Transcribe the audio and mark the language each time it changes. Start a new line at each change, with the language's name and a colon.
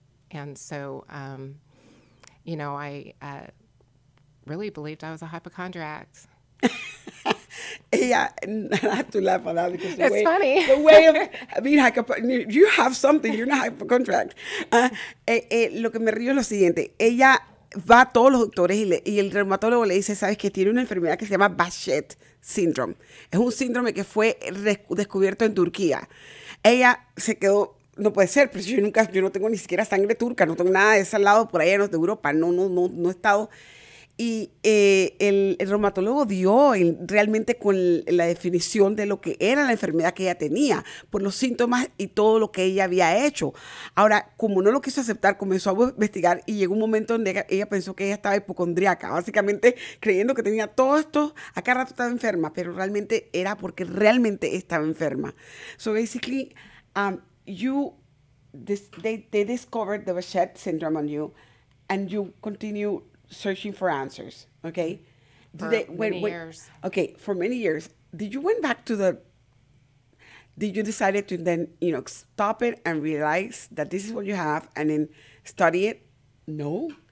English: And so, you know, I really believed I was a hypochondriac. Yeah, and I have to laugh on that because it's funny. The way of being hypochondriac, you have something, you're not hypochondriac.
Spanish: Lo que me río es lo siguiente. Ella va a todos los doctores y el reumatólogo le dice, ¿sabes qué? Tiene una enfermedad que se llama Behçet Syndrome. Es un síndrome que fue descubierto en Turquía. Ella se quedó, no puede ser, pero yo no tengo ni siquiera sangre turca, no tengo nada de ese lado por allá, no es de Europa, no he estado. Y el reumatólogo dio realmente con la definición de lo que era la enfermedad que ella tenía, por los síntomas y todo lo que ella había hecho. Ahora, como no lo quiso aceptar, comenzó a investigar y llegó un momento donde ella pensó que ella estaba hipocondriaca, básicamente creyendo que tenía todo esto, a cada rato estaba enferma, pero realmente era porque realmente estaba enferma.
English: So basically, they discovered the Behçet syndrome on you, and you continue searching for answers, okay? For many years. Did you went back to the, did you decide to then, you know, stop it and realize that this is what you have and then study it? No?